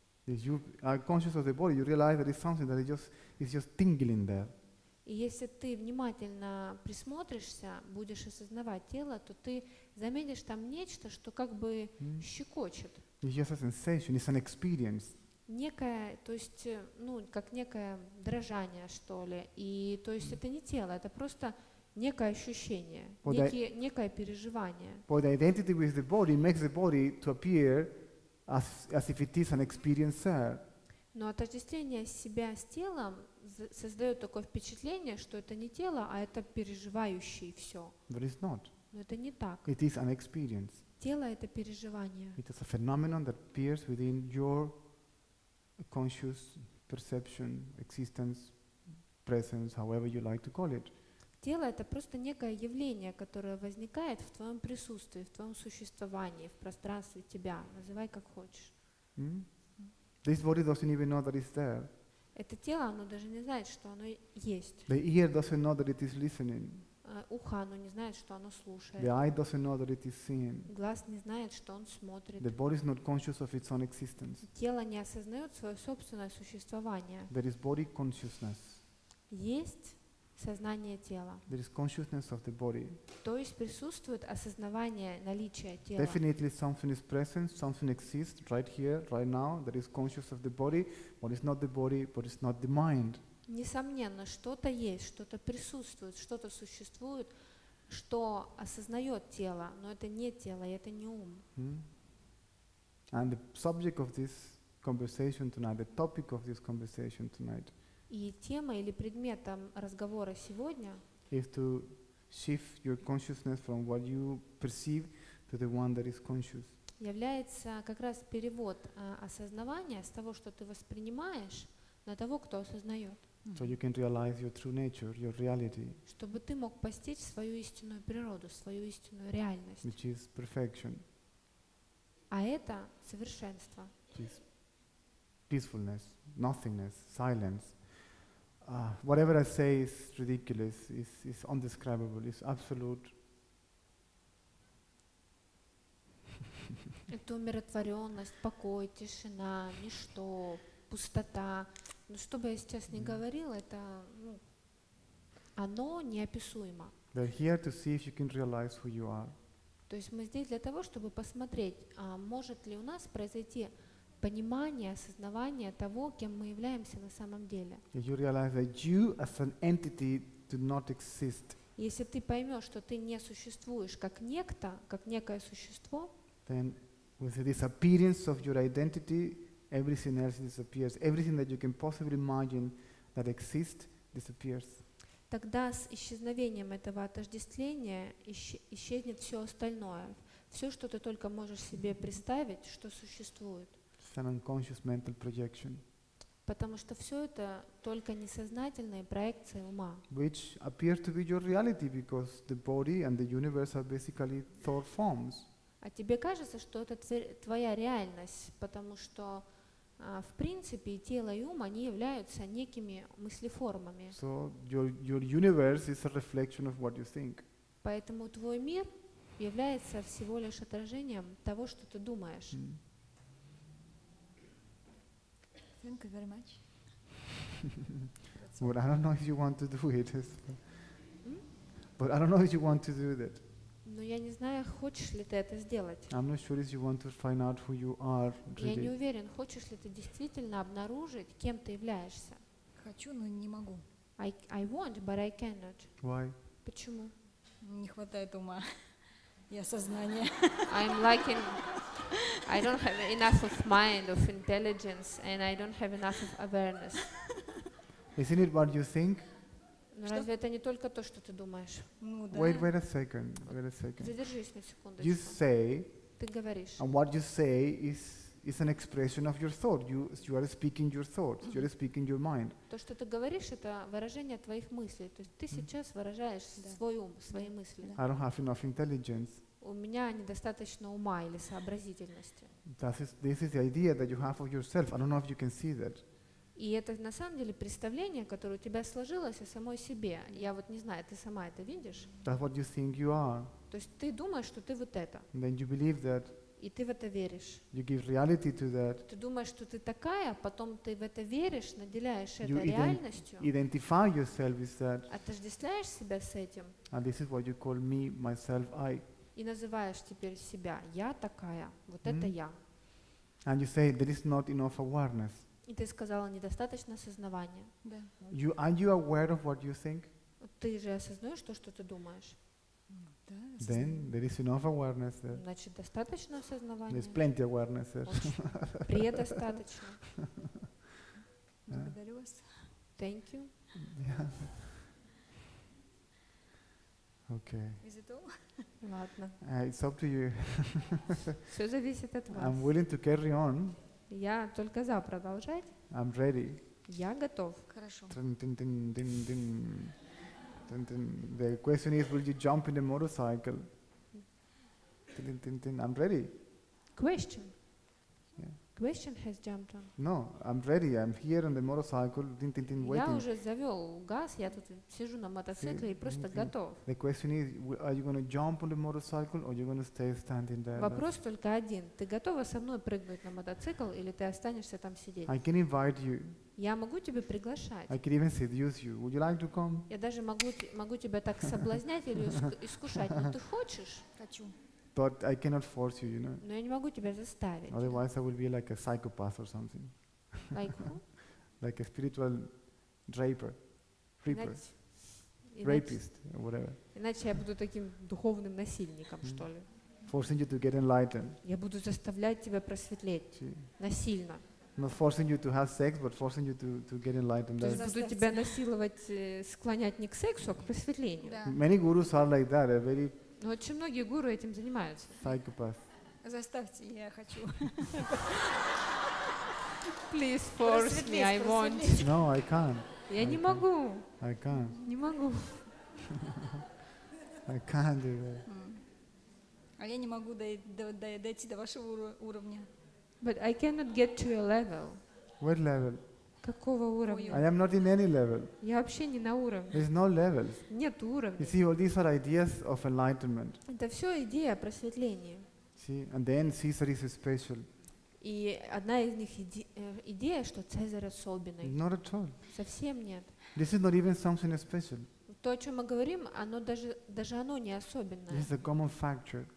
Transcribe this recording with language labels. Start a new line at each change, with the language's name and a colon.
English: If you are conscious of the body, you realize that it's something that is just tingling there.
Russian: И если ты внимательно присмотришься, будешь осознавать тело, то ты заметишь там нечто, что как бы щекочет.
English: It's just a sensation, it's an experience.
Russian: Некое, то есть, ну, как некое дрожание, что ли. И то есть это не тело, это просто некое ощущение, некое переживание.
English: But the identity with the body makes the body to appear as if it is an experiencer.
Russian: Но отождествление себя с телом создает такое впечатление, что это не тело, а это переживающий все.
English: But it's not.
Russian: Но это не так.
English: It is an experience.
Russian: Тело — это переживание.
English: It is a phenomenon that appears within your conscious perception, existence, presence, however you like to call it.
Russian: Тело — это просто некое явление, которое возникает в твоем присутствии, в твоем существовании, в пространстве тебя. Называй как хочешь. Mm?
English: This body doesn't even know that it's there.
Russian: Это тело, оно даже не знает, что оно есть.
English: The ear doesn't know that it is listening.
Russian: Ухо, оно не знает, что оно слушает.
English: The eye doesn't know that it is seeing.
Russian: Глаз не знает, что он смотрит.
English: The body is not conscious of its own existence.
Russian: Тело не осознает свое собственное существование.
English: There is body consciousness.
Russian: Есть сознание тела.
English: There is consciousness of the body.
Russian: То есть присутствует осознавание наличия тела.
English: Definitely something is present, something exists right here, right now, that is conscious of the body, but it's not the body, but it's not the mind.
Russian: Несомненно, что-то есть, что-то присутствует, что-то существует, что осознает тело, но это не тело, это не ум. Mm.
English: And the subject of this conversation tonight, the topic of this conversation tonight.
Russian: И тема или предметом разговора сегодня.
English: Is to shift your consciousness from what you perceive to the one that is conscious.
Russian: Является как раз перевод осознавания с того, что ты воспринимаешь, на того, кто осознает.
English: So you can realize your true nature, your reality.
Russian: Чтобы ты мог постичь свою истинную природу, свою истинную реальность.
English: Which is perfection.
Russian: А это совершенство.
English: Which is peacefulness, nothingness, silence. Whatever I say is ridiculous, is undescribable, is absolute.
Russian: Это умиротворенность, покой, тишина, ничто, пустота. Ну, что бы я сейчас ни говорил, это, ну, оно неописуемо.
English: They're here to see if you can realize who you are.
Russian: То есть мы здесь для того, чтобы посмотреть, а может ли у нас произойти понимание, осознавание того, кем мы являемся на самом деле.
English: You realize that you as an entity do not exist.
Russian: Если ты поймешь, что ты не существуешь как некто, как некое существо,
English: then with the disappearance of your identity, everything else disappears. Everything that you can possibly imagine that exists disappears.
Russian: Тогда с исчезновением этого отождествления исчезнет все остальное. Все, что ты только можешь себе представить, что существует.
English: It's an unconscious mental projection.
Russian: Потому что все это только несознательные проекции ума.
English: Which appears to be your reality because the body and the universe are basically thought forms.
Russian: А тебе кажется, что это твоя реальность, потому что в принципе, тело и ум, они являются некими мыслеформами.
English: So your universe is a reflection of what you think.
Russian: Поэтому твой мир является всего лишь отражением того, что ты думаешь. Mm.
English: Thank you very much. But I don't know if you want to do it. But I don't know if you want to do that.
Russian: Но я не знаю, хочешь ли ты это сделать.
English: I'm not sure if you want to find out who you are, really.
Russian: Я не уверен, хочешь ли ты действительно обнаружить, кем ты являешься. Хочу, но не могу.
English: I want, but I cannot. Why?
Russian: Почему? Не хватает ума. Я сознание.
English: I'm lacking. I don't have enough of mind, of intelligence, and I don't have enough of awareness. Isn't it what you think?
Russian: Но разве это не только то, что ты думаешь? Ну, да.
English: Wait a second.
Russian: Задержись на секундочку.
English: You say.
Russian: Ты говоришь.
English: And what you say is an expression of your thought. You are speaking your thoughts. Mm-hmm. You are speaking your mind.
Russian: То, что ты говоришь, это выражение твоих мыслей. То есть ты mm-hmm. сейчас выражаешь да. свой ум, свои мысли.
English: Да. I don't have enough intelligence.
Russian: У меня недостаточно ума или сообразительности.
English: This is the idea that you have of yourself. I don't know if you can see that.
Russian: И это на самом деле представление, которое у тебя сложилось о самой себе. Я вот не знаю, ты сама это видишь?
English: That's what you think you are.
Russian: То есть ты думаешь, что ты вот это.
English: And then you believe that.
Russian: И ты в это веришь.
English: You give reality to that.
Russian: Ты думаешь, что ты такая, потом ты в это веришь, наделяешь это реальностью.
English: Identify yourself with that.
Russian: Отождествляешь себя с этим.
English: And this is what you call me, myself, I.
Russian: И называешь теперь себя «я такая», вот это я.
English: And you say, there is not enough awareness.
Russian: И ты сказала, недостаточно осознавания. Да.
English: You, are you aware of what you think?
Russian: Ты же осознаешь то, что ты думаешь. Да,
English: then there is enough awareness there.
Russian: Значит, достаточно осознавания.
English: There's plenty awareness there.
Russian: Предостаточно. Благодарю вас.
English: Thank you. Yeah. Okay. Is it all?
Russian: Ладно.
English: It's up to you.
Russian: Все зависит от вас.
English: I'm willing to carry on.
Russian: Я только за продолжать.
English: I'm ready.
Russian: Я готов. Хорошо.
English: The question is, will you jump in the motorcycle? I'm ready. Question. Yeah. Question has jumped on. No, I'm ready. I'm here on the motorcycle.
Russian: Я уже завел газ. Я тут сижу на мотоцикле и просто готов.
English: The question is, are you going to jump on the motorcycle or are you going to stay standing there?
Russian: Вопрос только один. Ты готова со мной прыгнуть на мотоцикл или ты останешься там сидеть?
English: I can invite you.
Russian: Я могу тебя приглашать.
English: I could even seduce you. Would you like to come?
Russian: Я даже могу тебя так соблазнять или искушать. Но ты хочешь? Хочу.
English: But I cannot force you, you know.
Russian: Но я не могу тебя заставить.
English: Otherwise, I will be like a psychopath or something. Like who? Like a spiritual draper, reaper, rapist, or whatever.
Russian: Иначе я буду таким духовным насильником, что ли?
English: Forcing you to get enlightened.
Russian: Я буду заставлять тебя просветлеть насильно.
English: Not forcing you to have sex, but forcing you to get enlightened.
Russian: То есть буду тебя насиловать, склонять не к сексу, а к просветлению.
English: Many gurus are like that. They're very.
Russian: Но очень многие гуру этим занимаются.
English: Psychopath.
Russian: Заставьте, я хочу.
English: Please force me, I want. No, I can't.
Russian: Я не могу.
English: I can't.
Russian: Не могу.
English: I can't do that.
Russian: А я не могу дойти до вашего уровня.
English: But I cannot get to your level. What level?
Russian: Какого уровня?
English: I am not in any level.
Russian: Я вообще не на уровне.
English: There's no levels.
Russian: Нет уровня.
English: You see, all these are ideas of enlightenment.
Russian: Это все идея просветления.
English: See, and then Caesar is special.
Russian: И одна из них идея, что Цезарь особенный.
English: Not at all.
Russian: Совсем нет.
English: This is not even something special.
Russian: То, о чем мы говорим, оно даже оно не особенное.
English: This is a common factor.